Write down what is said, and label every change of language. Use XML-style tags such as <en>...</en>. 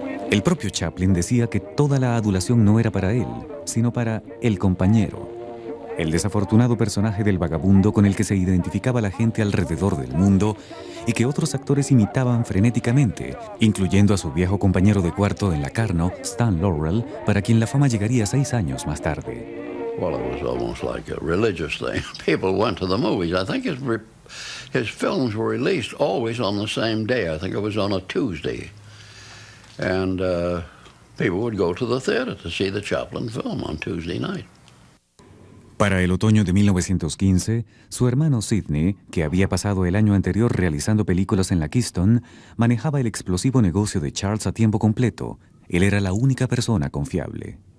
<es>El propio Chaplin decía que toda la adulación no era para él, sino para el compañero, el desafortunado personaje del vagabundo con el que se identificaba la gente alrededor del mundo y que otros actores imitaban frenéticamente, incluyendo a su viejo compañero de cuarto en Lacarno, Stan Laurel, para quien la fama llegaría 6 años más tarde.</es> <en>Well, it was almost like a religious thing. People went to the movies. I think his films were released always on the same day. I think it was on a Tuesday. And people would go to the theater to see the Chaplin film on Tuesday night.</en> <es>Para el otoño de 1915, su hermano Sidney, que había pasado el año anterior realizando películas en la Keystone, manejaba el explosivo negocio de Charles a tiempo completo. Él era la única persona confiable.</es>